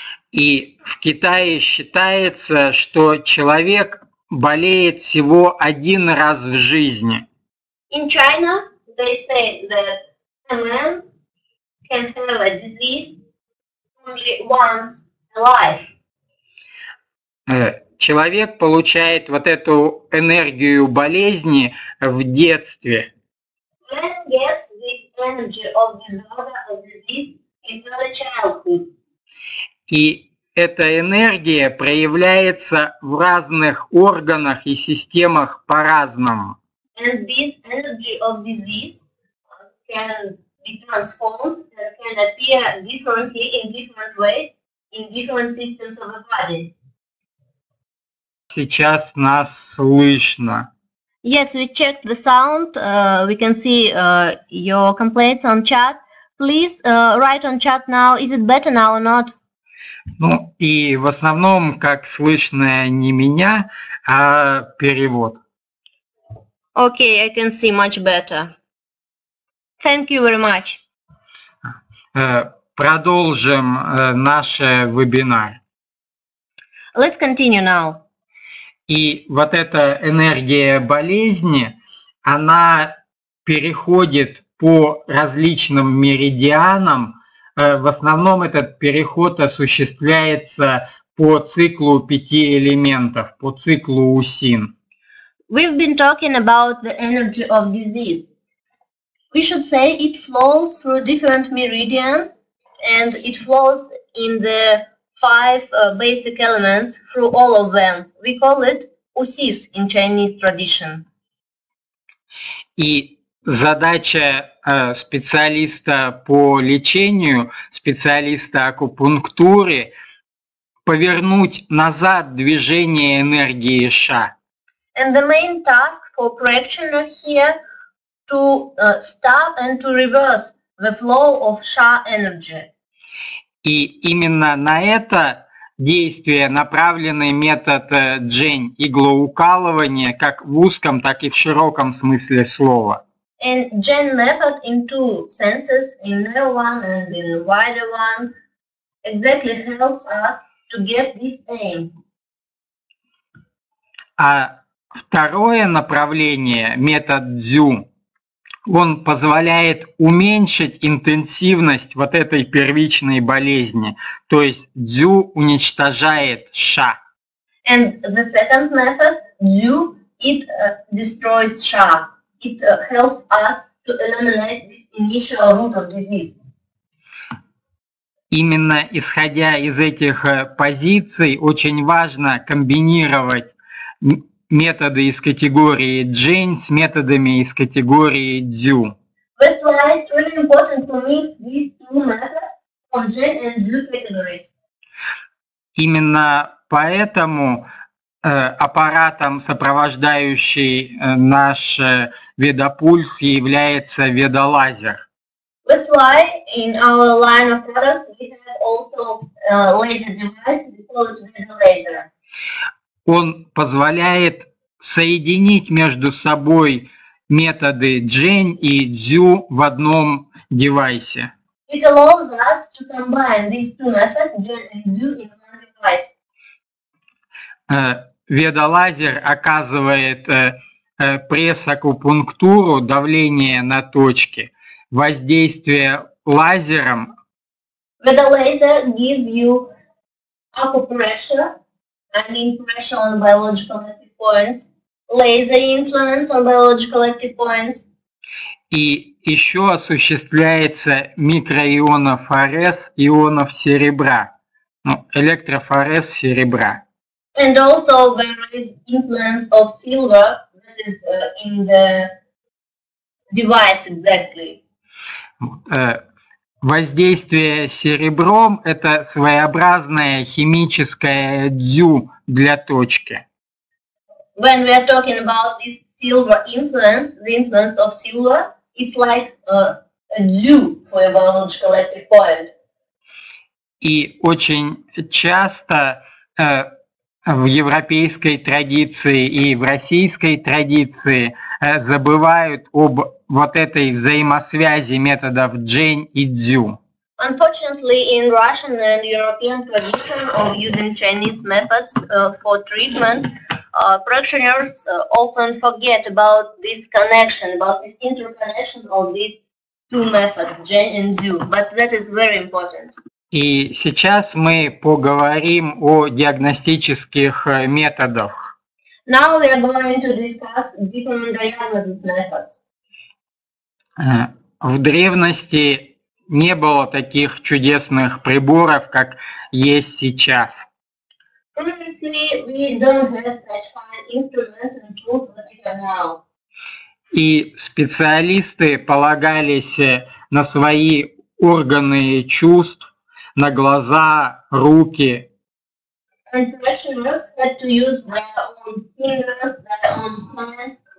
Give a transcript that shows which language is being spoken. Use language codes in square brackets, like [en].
[ru] И в Китае считается, что человек болеет всего один раз в жизни. [en] In China, they say that a man can have a disease only once in life. [ru] Человек получает вот эту энергию болезни в детстве. [en] Man gets this energy of disorder or disease in early childhood. [ru] И эта энергия проявляется в разных органах и системах по-разному. [en] And this energy of disease can be transformed, can appear differently in different ways in different systems of the body. [ru] Сейчас нас слышно. [en] Yes, we checked the sound. We can see your complaints on chat. Please write on chat now. Is it better now or not? [ru] Ну, и в основном, как слышно не меня, а перевод. [en] Okay, I can see much better. Thank you very much. [ru] Продолжим наш вебинар. [en] Let's continue now. [ru] И вот эта энергия болезни, она переходит по различным меридианам. В основном этот переход осуществляется по циклу пяти элементов, по циклу УСИН. [en] We've been talking about the energy of disease. We should say it flows through different meridians and it flows in the five basic elements through all of them. We call it usis in Chinese tradition. [ru] И задача специалиста по лечению, специалиста акупунктуры, повернуть назад движение энергии Ша. [en] And the main task for practitioner here to stop and to reverse the flow of sha energy. [ru] И именно на это действие направленный метод Джень иглоукалывания, как в узком, так и в широком смысле слова. [en] And Gen method in two senses, in narrow one and in wider one, exactly helps us to get this aim. [ru] А второе направление, метод Дзю, он позволяет уменьшить интенсивность вот этой первичной болезни, то есть Дзю уничтожает Ша. [en] And the second method, Yu, it destroys Sha. It helps us to eliminate this initial root of disease. [ru] Именно исходя из этих позиций, очень важно комбинировать методы из категории Джень с методами из категории Дзю. [en] That's why it's really important to mix these two methods from Gen and Dzu categories. [ru] Именно поэтому аппаратом, сопровождающий наш ведопульс, является ведолазер. [en] That's why in our line of products we have also laser device, we call it laser. [ru] Он позволяет соединить между собой методы Джень и Дзю в одном девайсе. [en] It allows us to combine these two methods, Gen and Dzu, in one device. [ru] Ведолазер оказывает пресс-акупунктуру, давление на точки, воздействие лазером. [en] But the laser gives you acupressure, I mean pressure on biological active points, laser influence on biological active points. [ru] И еще осуществляется микроионофорез ионов серебра, ну, электрофорез серебра. [en] And also there is influence of silver, that is in the device exactly. [ru] Воздействие серебром – это своеобразное химическое дзю для точки. [en] When we are talking about this silver influence, the influence of silver, it's like a dew for a biological active point. [ru] И очень часто в европейской традиции и в российской традиции забывают об вот этой взаимосвязи методов Джень и Дзю. [en] Unfortunately, in Russian and European tradition of using Chinese methods for treatment, practitioners often forget about this connection, about this interconnection of these two methods, Gen and Dzu, but that is very important. [ru] И сейчас мы поговорим о диагностических методах. [en] Now we are going to discuss different diagnosis methods. [ru] В древности не было таких чудесных приборов, как есть сейчас. [en] Previously, we don't have such fine instruments and tools that we have now. [ru] И специалисты полагались на свои органы чувств, на глаза, руки. [en] And practitioners had to use their own fingers, their own hands,